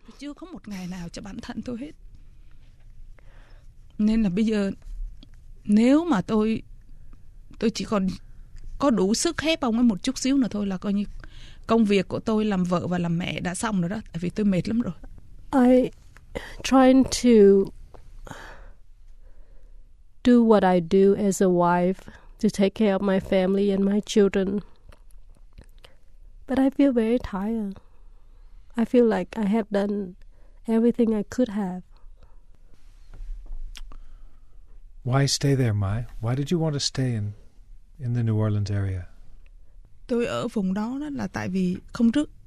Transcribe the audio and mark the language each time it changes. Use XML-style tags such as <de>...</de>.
<vi>Chưa có một ngày nào cho bản thân tôi hết. Nên là bây giờ, nếu mà tôi chỉ còn có đủ sức hép ông ấy một chút xíu nữa thôi là coi như công việc của tôi làm vợ và làm mẹ đã xong rồi đó. Tại vì tôi mệt lắm rồi.</vi> <en>Trying to do what I do as a wife to take care of my family and my children. But I feel very tired. I feel like I have done everything I could have. Why stay there, Mai? Why did you want to stay in the New Orleans area?</en> <vi>Tôi ở vùng đó là tại vì không trước.</vi>